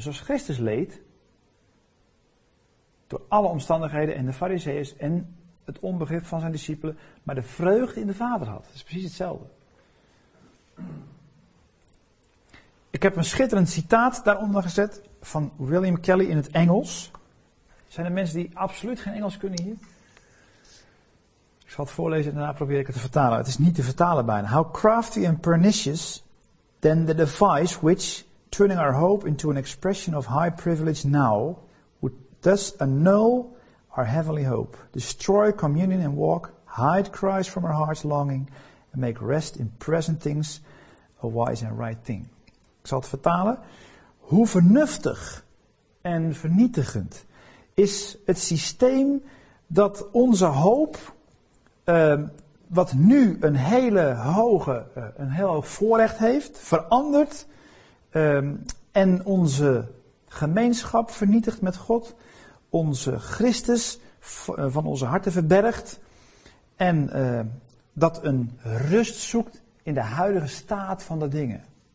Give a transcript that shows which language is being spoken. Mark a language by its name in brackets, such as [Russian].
[Dutch] Zoals Christus leed, door alle omstandigheden en de fariseeërs en het onbegrip van zijn discipelen, maar de vreugde in de Vader had. Dat is precies hetzelfde. Ik heb een schitterend citaat daaronder gezet van William Kelly in het Engels. Zijn er mensen die absoluut geen Engels kunnen hier? Ik zal het voorlezen en daarna probeer ik het te vertalen. Het is niet te vertalen bijna. [English] How crafty and pernicious then the device which, turning our hope into an expression of high privilege now, would thus annul our heavenly hope, destroy communion and walk, hide Christ from our heart's longing, and make rest in present things a wise and right thing. [Dutch] Ik zal het vertalen. Hoe vernuftig en vernietigend is het systeem dat onze hoop wat nu een hele hoge, een heel hoog voorrecht heeft, verandert en onze gemeenschap vernietigt met God, onze Christus van onze harten verbergt en dat een rust zoekt in de huidige staat van de dingen.